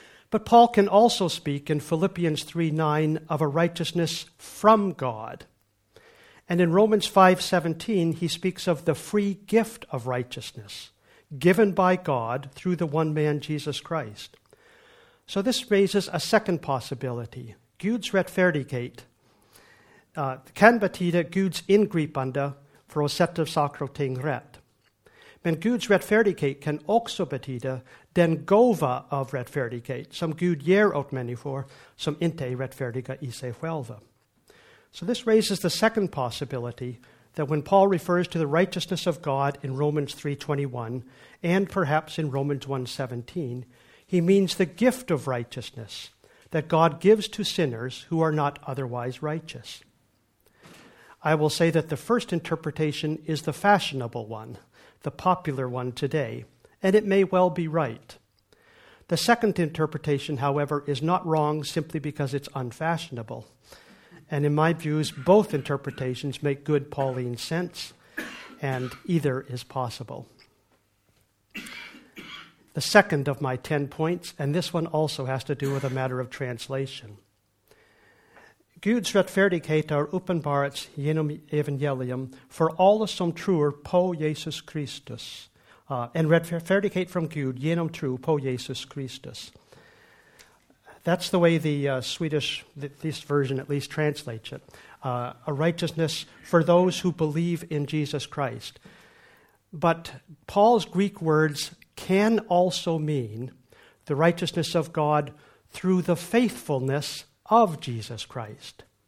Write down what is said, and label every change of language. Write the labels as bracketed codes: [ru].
[en] But Paul can also speak in Philippians 3:9 of a righteousness from God. And in Romans 5:17, he speaks of the free gift of righteousness given by God through the one man, Jesus Christ. So this raises a second possibility. [sv] Guds retfærdighet kan betyda Guds ingripande för att sätta saker och ting rätt. Men Guds rättfärdighet kan också betyda den gåva av rättfärdighet som Gud ger åt människor som inte är rättfärdiga I sig själva. [en] So this raises the second possibility that when Paul refers to the righteousness of God in Romans 3:21 and perhaps in Romans 1:17, he means the gift of righteousness that God gives to sinners who are not otherwise righteous. I will say that the first interpretation is the fashionable one, the popular one today, and it may well be right. The second interpretation, however, is not wrong simply because it's unfashionable. And in my views, both interpretations make good Pauline sense, and either is possible. The second of my 10 points, and this one also has to do with a matter of translation. [sv] Guds rättfärdighet är uppenbart genom evangelium för alla som tror på Jesus Kristus. [en] And [sv] rättfärdighet från Gud genom tro på Jesus Kristus. [en] That's the way the Swedish, this version at least, translates it. A righteousness for those who believe in Jesus Christ. But Paul's Greek words can also mean the righteousness of God through the faithfulness of Jesus Christ.